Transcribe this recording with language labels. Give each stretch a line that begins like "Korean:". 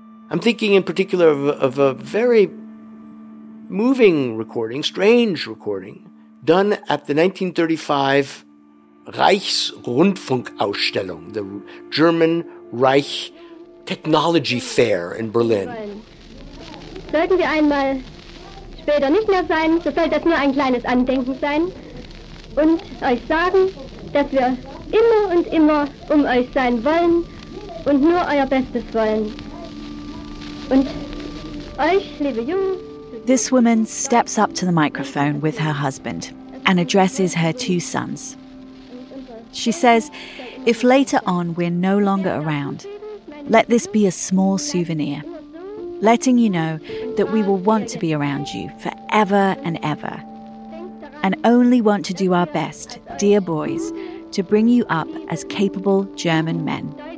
English: I'm thinking in particular of a very moving recording, strange recording, done at the 1935 Reichsrundfunkausstellung, the German Reich Technology Fair in Berlin.
German: Sollten wir einmal später nicht mehr sein, so soll das nur ein kleines Andenken sein und euch sagen, dass wir immer und immer um euch sein wollen und nur euer Bestes wollen. Und euch, liebe Jungen.
English: This woman steps up to the microphone with her husband and addresses her two sons. She says, if later on we're no longer around, let this be a small souvenir, letting you know that we will want to be around you forever and ever, and only want to do our best, dear boys, to bring you up as capable German men.